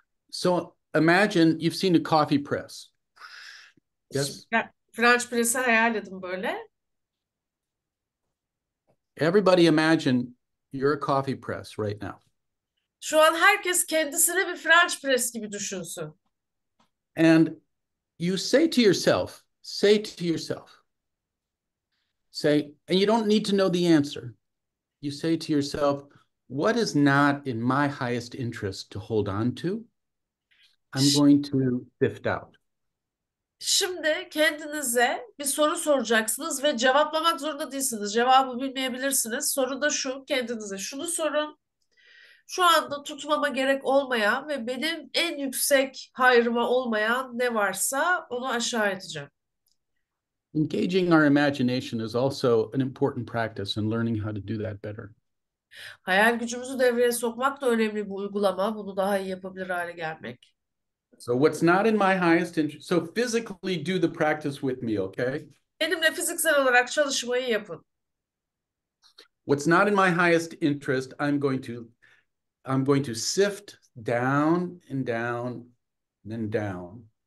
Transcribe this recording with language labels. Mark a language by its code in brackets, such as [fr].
[en] So imagine you've seen a coffee press. Yes. [tr] French press'i hayal edin böyle. [en] Everybody imagine you're a coffee press right now. [tr] Şu an herkes kendisini bir French press gibi düşünsün. [en] And you say to yourself, say, and you don't need to know the answer. You say to yourself, what is not in my highest interest to hold on to? I'm going to sift out. [tr] Şimdi kendinize bir soru soracaksınız ve cevaplamak zorunda değilsiniz. Cevabı bilmeyebilirsiniz. Soru da şu, kendinize şunu sorun. Şu anda tutmama gerek olmayan ve benim en yüksek hayrıma olmayan ne varsa onu aşağı edeceğim. [en] Engaging our imagination is also an important practice in learning how to do that better. [tr] Hayal gücümüzü devreye sokmak da önemli bir uygulama. Bunu daha iyi yapabilir hale gelmek. [en] So what's not in my highest interest? So physically do the practice with me, okay? [tr] Benimle fiziksel olarak çalışmayı yapın. [en] What's not in my highest interest, I'm going to sift down and down and down.